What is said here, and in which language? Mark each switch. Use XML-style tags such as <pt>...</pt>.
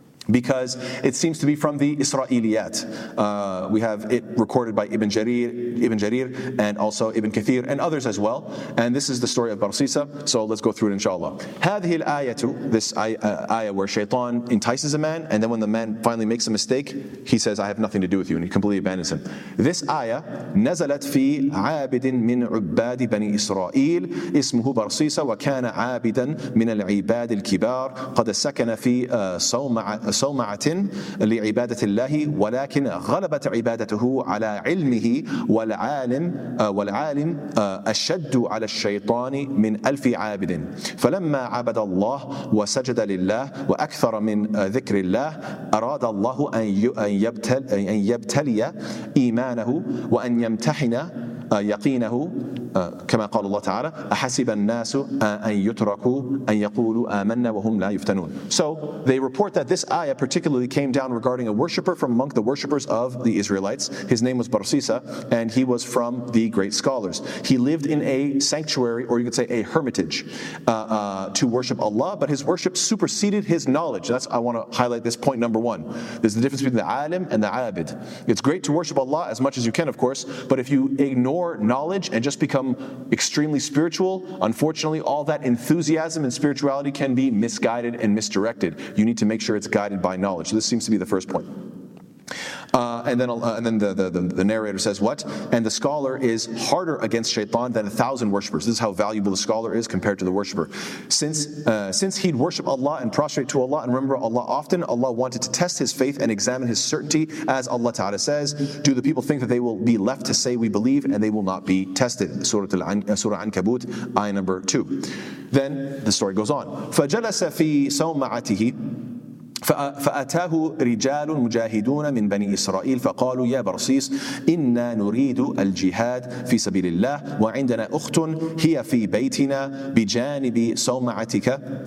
<en>because it seems to be from the Isra'iliyat. We have it recorded by Ibn Jarir, and also Ibn Kathir, and others as well. And this is the story of Barsisa, so let's go through it, inshallah.</en> <ar>هذه الآية,</ar> <en>this ayah where shaitan entices a man, and then when the man finally makes a mistake, he says, I have nothing to do with you, and he completely abandons him. This ayah,</en> <ar>نزلت في عابد من عباد بني إسرائيل اسمه برصيصة وكان عابدا من العباد الكبار قد سكن في صومعة لعبادة الله ولكن غلبت عبادته على علمه والعالم أشد على الشيطان من ألف عابد فلما عبد الله وسجد لله وأكثر من ذكر الله أراد الله أن يبتلي إيمانه وأن يمتحن يقينه كما قال الله تعالى أحسب الناس أن يتركوا أن يقولوا آمنا وهم لا يفتنون.</ar> <en>So they report that this ayah particularly came down regarding a worshipper from among the worshippers of the Israelites. His name was Barsisa, and he was from the great scholars. He lived in a sanctuary, or you could say a hermitage, to worship Allah, but his worship superseded his knowledge. That's, I want to highlight this point number one. There's the difference between the alim and the abid. It's great to worship Allah as much as you can, of course, but if you ignore knowledge and just become extremely spiritual, unfortunately, all that enthusiasm and spirituality can be misguided and misdirected. You need to make sure it's guided by knowledge. This seems to be the first point. And then the narrator says, what? And the scholar is harder against shaitan than 1,000 worshippers. This is how valuable the scholar is compared to the worshipper. Since he'd worship Allah and prostrate to Allah and remember Allah often, Allah wanted to test his faith and examine his certainty, as Allah Ta'ala says, do the people think that they will be left to say we believe and they will not be tested? Surah An-Kabut, ayah number 2. Then the story goes on.</en> <ar>فَجَلَسَ فِي سَوْمَعَتِهِ فأتاه رجال مجاهدون من بني إسرائيل فقالوا يا برصيص إنا نريد الجهاد في سبيل الله وعندنا أخت هي في بيتنا بجانب صومعتك</ar>